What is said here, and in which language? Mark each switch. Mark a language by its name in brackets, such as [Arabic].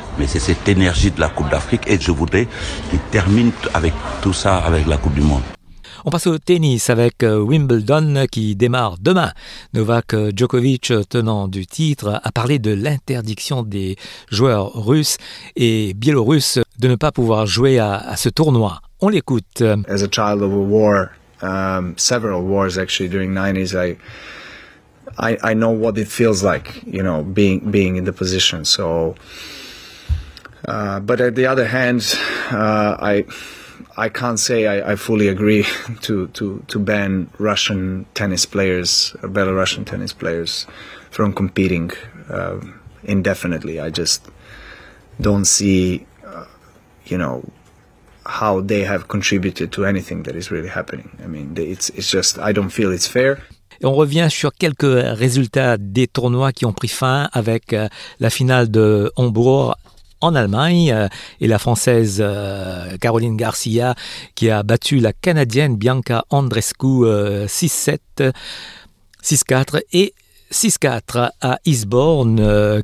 [French] Mais c'est cette énergie de la Coupe d'Afrique et je voudrais qu'il termine avec tout ça, avec la Coupe du Monde. On passe au tennis avec Wimbledon qui démarre demain. Novak Djokovic, tenant du titre, a parlé de l'interdiction des joueurs russes et biélorusses de ne pas pouvoir jouer à ce tournoi. On l'écoute. [English] As a child of a war, several wars actually during the 90s, I know what it feels like, you know, being in the position. So... but at the other hand, I can't say I fully agree to ban Russian tennis players, Belarusian tennis players, from competing indefinitely. I just don't see, you know, how they have contributed to anything that is really happening. I mean, it's just, I don't feel it's fair. [French] Et on revient sur quelques résultats des tournois qui ont pris fin avec la finale de Hambourg. En Allemagne, et la Française Caroline Garcia qui a battu la Canadienne Bianca Andreescu 6-7, 6-4 et 6-4 à Eastbourne.